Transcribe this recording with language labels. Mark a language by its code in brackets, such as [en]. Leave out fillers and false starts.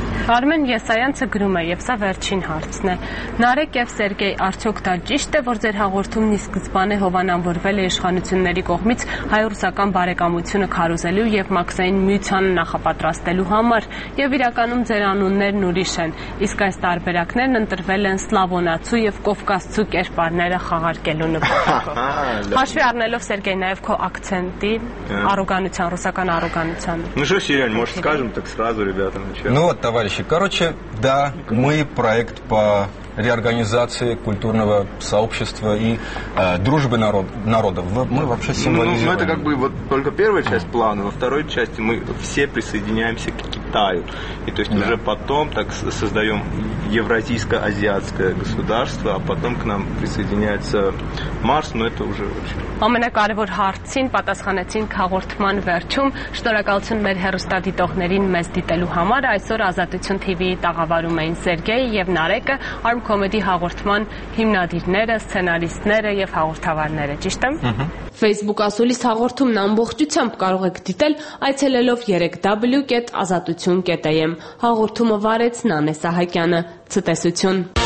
[hy] Արմեն Եսայանցը գրում է, եւ սա վերջին հարցն է. Նարեկ եւ Սերգեյ, արդյոք դա ճիշտ է, որ ձեր հաղորդումն ի սկզբանե հովանավորվել է իշխանությունների կողմից հայ-ռուսական բարեկամությունը քարոզելու եւ մաքսային միության նախապատրաստելու համար, եւ իրականում ձեր անուններն ուրիշ են, իսկ այս տարբերակներն ընտրվել են սլավոնացու եւ կովկասցու կերպարները խաղարկելու նպատակով։ Հաշվի առնելով Սերգեյ նաեւ քո ակցենտի առոգանության, ռուսական առոգանության։ [ru] Ну что, Сирень, может, скажем так сразу ребятам ничего? Ну вот так Товарищи, короче, да, мы проект по реорганизации культурного сообщества и дружбы народов. Мы вообще символизируем. Ну, это как бы вот только первая часть плана, во второй части мы все присоединяемся к Китаю. И то есть уже потом так создаем евразийско-азиатское государство, а потом к нам присоединяется Марс, но это уже очень... [hy] Ամենակարևոր հարցին պատասխանեցին հաղորդման վերջում։ Շնորհակալություն մեր հեռուստադիտողներին մեզ դիտելու համար։ Այսօր Ազատություն TV-ի տաղավարում էին Սերգեյ և Նարեկը, Arm Comedy հաղորդման հիմնադիրները, սցենարիստները և հաղորդավարները, ճիշտ եմ։ Facebook-ի ասուլիս հաղորդումն ամբողջությամբ կարող եք դիտել այցելելով www.azatutyun.am։ Հաղորդումը վարեց Նանե Սահակյանը։ Ցտեսություն։